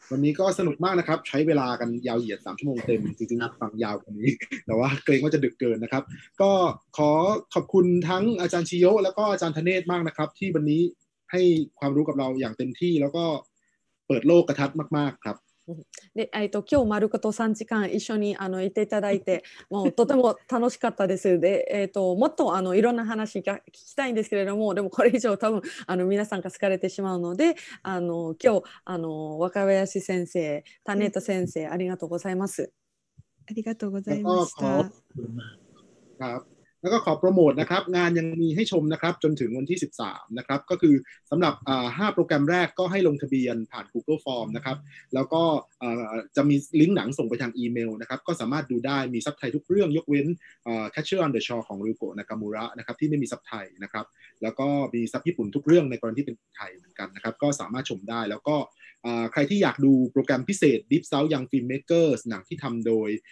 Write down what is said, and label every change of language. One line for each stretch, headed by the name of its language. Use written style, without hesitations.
Thai: วันนี้ก็สนุกมากนะครับใช้เวลากันยาวเหยียด3ชั่วโมงเต็มจริงๆฟังยาวกว่านี้แต่ว่าเกรงว่าจะดึกเกินนะครับก็ขอขอบคุณทั้งอาจารย์ชิโยแล้วก็อาจารย์ธเนศมากนะครับที่วันนี้ให้ความรู้กับเราอย่างเต็มที่แล้วก็เปิดโลกกระทัดมากๆครับ
Japanese: で、今日丸子と3時間一緒にいていただいてもうとても楽しかったですで、もっといろんな話が聞きたいんですけれどもでもこれ以上多分皆さんが疲れてしまうので今日若林先生タネータ先生ありがとうございますありがとうございました
Thai: ครับแล้วก็ขอโปรโมทนะครับงานยังมีให้ชมนะครับจนถึงวันที่13นะครับก็คือสำหรับ5โปรแกรมแรกก็ให้ลงทะเบียนผ่าน Google Form นะครับแล้วก็จะมีลิงก์หนังส่งไปทางอีเมลนะครับก็สามารถดูได้มีซับไทยทุกเรื่องยกเว้น Catcher on the Shore ของริวโกะนากามูระนะครับที่ไม่มีซับไทยนะครับแล้วก็มีซับญี่ปุ่นทุกเรื่องในกรณีที่เป็นไทยเหมือนกันนะครับก็สามารถชมได้แล้วก็ใครที่อยากดูโปรแกรมพิเศษ Deep South Young Filmmakers หนังที่ทำโดย